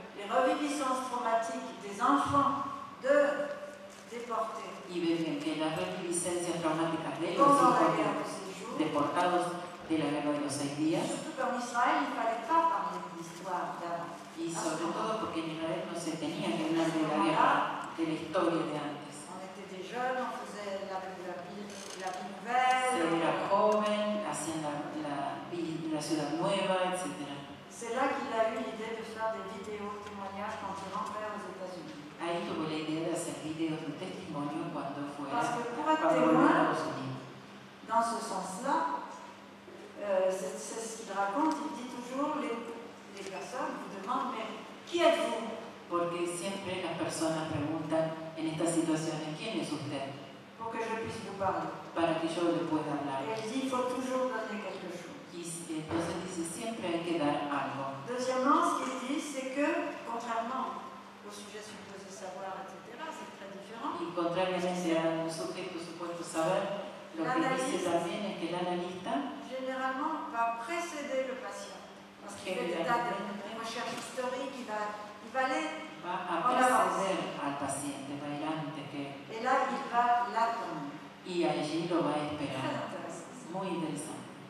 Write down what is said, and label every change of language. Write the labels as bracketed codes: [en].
[fr] reviviscences traumatiques des enfants de déportés. [es] Y ven que las reviviscencias traumáticas de los hijos deportados de la guerra de los seis días. [fr] Surtout qu'en Israël, il ne fallait pas parler de l'histoire d'avant. [es] Y sobre todo porque en Israel no se tenía que hablar de la guerra, de la historia de antes. [fr] On était des jeunes, on faisait la ville nouvelle. [es] Se era joven, hacían la ciudad nueva, etc. [fr] C'est là qu'il a eu l'idée de faire des vidéos témoignages quand il rentrait aux États-Unis. [es] Ahí tuvo la idea de hacer videos de testimonio cuando fue a Estados Unidos. [fr] Dans ce sens-là, c'est ce qu'il raconte. Il dit toujours les personnes vous demandent mais qui êtes-vous? [es] Porque siempre las personas preguntan en estas situaciones quién es usted. [fr] Pour que je puisse vous parler. [es] Para que yo le pueda hablar. [fr] Et il dit il faut toujours donner quelque chose. [es] Entonces dice siempre hay que dar algo. [fr] Deuxièmement, ce qu'il dit, c'est que contrairement au sujet supposé savoir, etc., c'est très différent. [es] Y contrariamente a un sujeto supuesto saber, lo que dice también es que el analista [fr] généralement va précéder le patient, parce qu'il fait des tas de recherches historiques, il va aller [es] va a préceder al paciente, va ir antes que. [fr] Et là, il va l'attendre. [es] Y allí lo va a esperar. Muy interesante.